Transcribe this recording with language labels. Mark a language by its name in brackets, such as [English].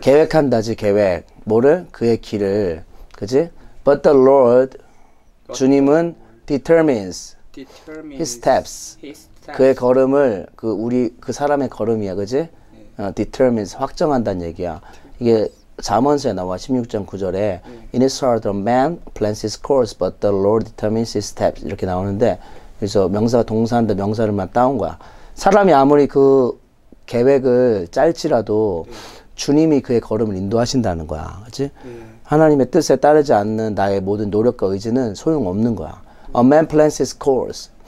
[Korean] 계획한다지, 계획. 뭐를? 그의 길을. 그치? [English] But the Lord, but [Korean] 주님은 [English] Lord. Determines, determines his steps. His steps. [Korean] 그의 걸음을, 그, 우리, 그 사람의 걸음이야. 그치? 네. Determines, 확정한다는 얘기야. 이게 잠언서에 나와, 16장 9절에. 네. [English] In his heart, a man plans his course, but the Lord determines his steps. [Korean] 이렇게 나오는데, 그래서 명사가 동사한다, 명사를만 따온 거야. 사람이 아무리 그 계획을 짤지라도, 네. 주님이 그의 걸음을 인도하신다는 거야. 그치? 네. 하나님의 뜻에 따르지 않는 나의 모든 노력과 의지는 소용없는 거야. [English] 네. A man plans his course.